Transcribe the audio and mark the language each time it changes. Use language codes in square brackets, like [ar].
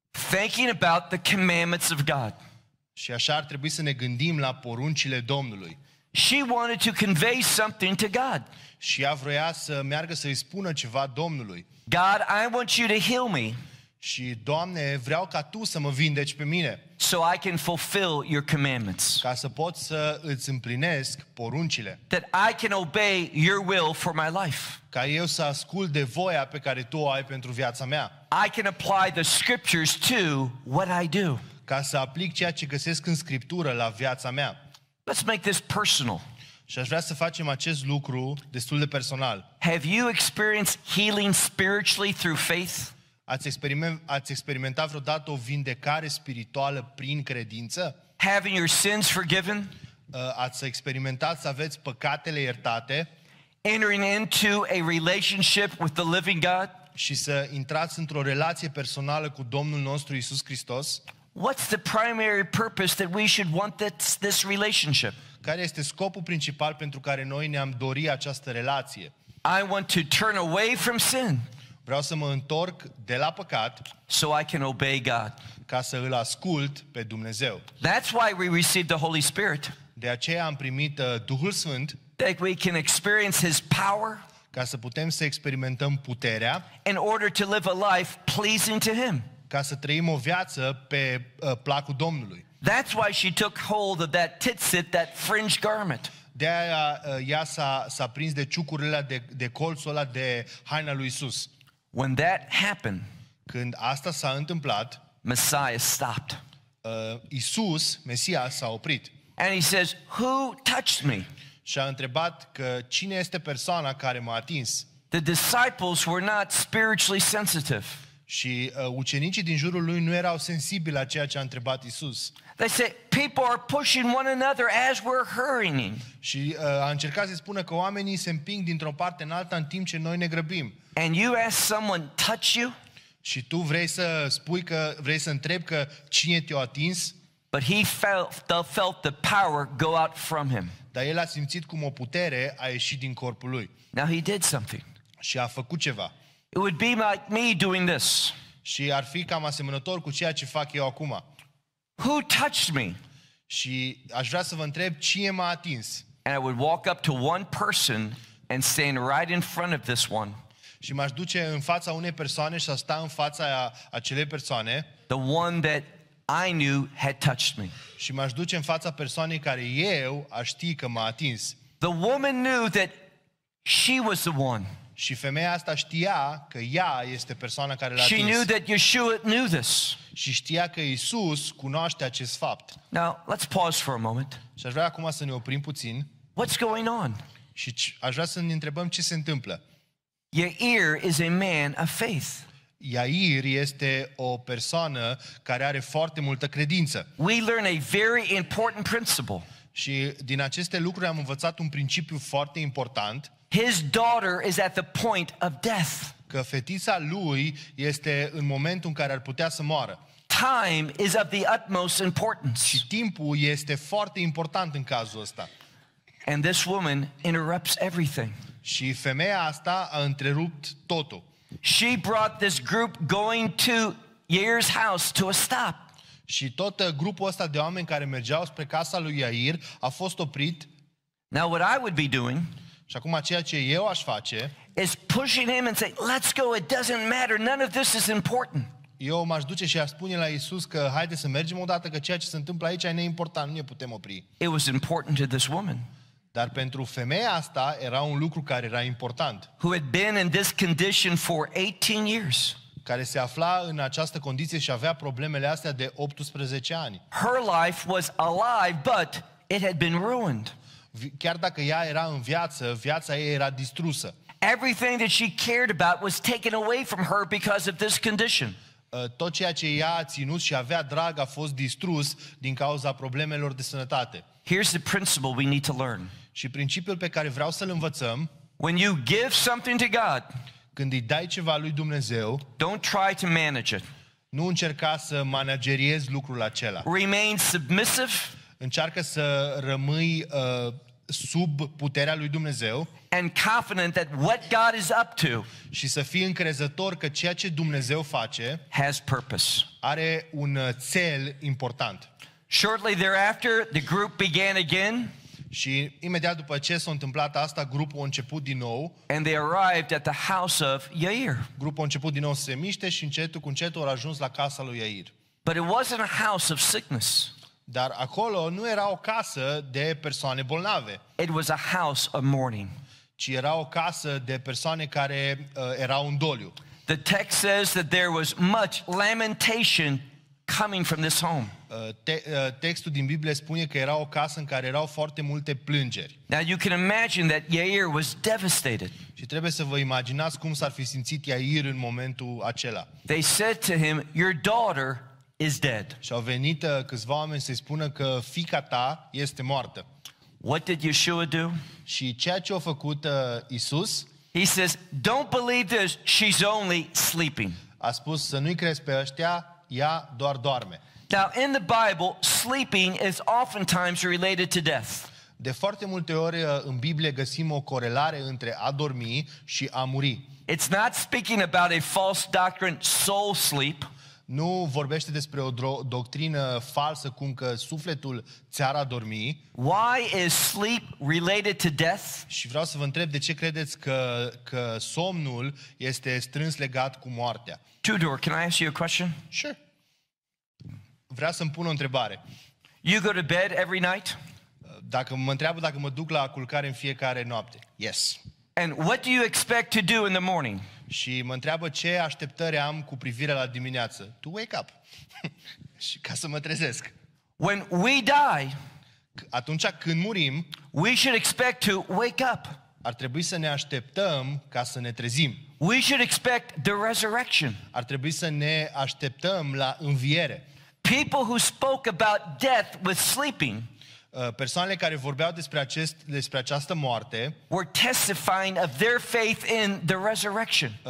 [en] Thinking about the commandments of God. [ro] Și așa ar trebui să ne gândim la poruncile Domnului. [en] She wanted to convey something to God. [ro] Și ea vroia să meargă să îi spună ceva Domnului. [en] God, I want you to heal me. [ro] Și Doamne, vreau ca tu să mă vindeci pe mine. [en] So I can fulfill your commandments. [ro] Ca să pot să îți împlinesc poruncile. [en] That I can obey your will for my life. [ro] Ca eu să ascult de voia pe care tu o ai pentru viața mea. [en] I can apply the scriptures to what I do. [ro] Ca să aplic ceea ce găsesc în scriptură la viața mea. [en] Let's make this personal. [ro] Și aș vrea să facem acest lucru destul de personal. [en] Have you experienced healing spiritually through faith? [ro] Ați experimentat vreodată o vindecare spirituală prin credință? [en] Having your sins forgiven? [ro] Ați experimentat să aveți păcatele iertate? [en] Entering into a relationship with the living God? [ro] Și să intrați într-o relație personală cu Domnul nostru Iisus Hristos? [en] What's the primary purpose that we should want this relationship? [ro] Care este scopul principal pentru care noi ne-am dori această relație? [en] I want to turn away from sin. [ro] Vreau să mă întorc de la păcat. [en] So I can obey God. [ro] Ca să îl ascult pe Dumnezeu. [en] That's why we receive the Holy Spirit. [ro] De aceea am primit Duhul Sfânt. [en] That we can experience His power. [ro] Ca să putem să experimentăm puterea. [en] In order to live a life pleasing to Him. [ro] Ca să trăim o viață pe placul Domnului. [en] That's why she took hold of that titsit, that fringe garment. [ro] De aia ea s-a prins de ciucurile de colțul ăla de haina lui Isus. [en] When that happened, [ro] când asta s-a întâmplat, [en] Messiah stopped. [ro] Isus, Mesia, s-a oprit. [en] And he says, "Who touched me?" [ro] Și a întrebat că cine este persoana care m-a atins. [en] The disciples were not spiritually sensitive. [ro] Și ucenicii din jurul lui nu erau sensibili la ceea ce a întrebat Isus. [en] They said, "People are pushing one another as we're hurrying." [ro] Și a încercat să spună că oamenii se împing dintr-o parte în alta în timp ce noi ne grăbim. [en] And you ask someone touch you? [ro] Și tu vrei să spui că vrei să întreb că cine te-a atins? [en] But he felt the power go out from him. [ro] Dar el a simțit cum o putere a ieșit din corpul lui. [en] Now he did something. [ro] Și a făcut ceva. [en] It would be like me doing this. [ro] Și ar fi cam asemănător cu ceea ce fac eu acum. [en] Who touched me? [ro] Și aș vrea să vă întreb cine m-a atins. [en] And I would walk up to one person and stand right in front of this one. [ro] Și m-aș duce în fața unei persoane și a sta în fața acelei persoane. [en] The one that I knew had touched me. [ro] Și m-aș duce în fața persoanei care eu aș ști că m-a atins. [en] The woman knew that she was the one. [ro] Și femeia asta știa că ea este persoana care l-a atins. [en] She knew that Yeshua knew this. [ro] Și știa că Iisus cunoaște acest fapt. [en] Now, let's pause for a moment. [ro] Și aș vrea acum să ne oprim puțin. [en] What's going on? [ro] Și aș vrea să ne întrebăm ce se întâmplă. [en] Yair is a man of faith. [ro] Yair este o persoană care are foarte multă credință. [en] We learn a very important principle. [ro] Și din aceste lucruri am învățat un principiu foarte important. [en] His daughter is at the point of death. [ro] Că fetița lui este în momentul în care ar putea să moară. [en] Time is of the utmost importance. [ro] Și timpul este foarte important în cazul ăsta. [en] And this woman interrupts everything. [ro] Și femeia asta a întrerupt totul. [en] She brought this group going to Yair's house to a stop. [ro] Și tot grupul ăsta de oameni care mergeau spre casa lui Yair a fost oprit. [en] Now what I would be doing? [ro] Și acum ceea ce eu aș face? [en] Is pushing him and say, "Let's go, it doesn't matter, none of this is important." [ro] Eu m-aș duce și aș spune la Iisus că haide să mergem odată, că ceea ce se întâmplă aici e neimportant, nu ne putem opri. [en] It was important to this woman. [ro] Dar pentru femeia asta era un lucru care era important. [en] Who had been in this condition for 18 years. [ro] Care se afla în această condiție și avea problemele astea de 18 ani. [en] Her life was alive, but it had been ruined. [ro] Chiar dacă ea era în viață, viața ei era distrusă. [en] Everything that she cared about was taken away from her because of this condition. [ro] Tot ceea ce ea a ținut și avea drag a fost distrus din cauza problemelor de sănătate. [en] Here's the principle we need to learn. [ro] Și principiul pe care vreau să-l învățăm. [en] When you give something to God, [ro] când îi dai ceva lui Dumnezeu, [en] don't try to manage it. [ro] Nu încerca să manageriezi lucrul acela. [en] Remain submissive. [ro] Încearcă să rămâi sub puterea lui Dumnezeu. [en] And confident that what God is up to. [ro] Și să fii încrezător că ceea ce Dumnezeu face [en] has purpose. [ro] Are un cel important. [en] Shortly thereafter, the group began again. [ro] Și imediat după ce s-a întâmplat asta, grupul a început din nou. [en] And they arrived at the house of Yair. [ro] Grupul a început din nou să se miște și încetul cu încetul au ajuns la casa lui Yair. [en] But it wasn't a house of sickness. [ro] Dar acolo nu era o casă de persoane bolnave. [en] It was a house of mourning. [ro] Ci era o casă de persoane care erau în doliu. [en] The text says that there was much lamentation coming from this home. [ro] Textul din Biblie spune că era o casă în care erau foarte multe plângeri. [en] Now you can imagine that Yair was devastated. [ro] Și trebuie să vă imaginați cum s-ar fi simțit Yair în momentul acela. [en] They said to him, "Your daughter is dead." [ro] Și au venit câțiva oameni să-i spună că fiica ta este moartă. [en] What did Yeshua do? [ro] Și ceea ce a făcut Iisus? [en] He says, "Don't believe this, she's only sleeping." [ro] A spus să nu-i crezi pe ăștia, ea doar doarme. [en] Now in the Bible, sleeping is oftentimes related to death. [ro] De foarte multe ori în Biblie găsim o corelare între a dormi și a muri. [en] It's not speaking about a false doctrine, soul sleep. [ro] Nu vorbește despre o doctrină falsă cum că sufletul ți-ar adormi. [en] Why is sleep related to death? [ro] Și vreau să vă întreb de ce credeți că somnul este strâns legat cu moartea. [en] Tudor, can I ask you a question? Sure. [ro] Vreau să-mi pun o întrebare. [en] You go to bed every night? [ro] Dacă mă întreabă dacă mă duc la culcare în fiecare noapte. [en] Yes. And what do you expect to do in the morning? [ro] Și mă întreabă ce așteptări am cu privire la dimineață. [en] To wake up. [ro] Și ca să mă trezesc. [en] When we die, [ro] atunci când murim, [en] we should expect to wake up. [ro] Ar trebui să ne așteptăm ca să ne trezim. [en] We should expect the resurrection. [ro] Ar trebui să ne așteptăm la înviere. [en] People who spoke about death with sleeping, [ro] persoanele care vorbeau despre această moarte, [en] were testifying of their faith in the resurrection.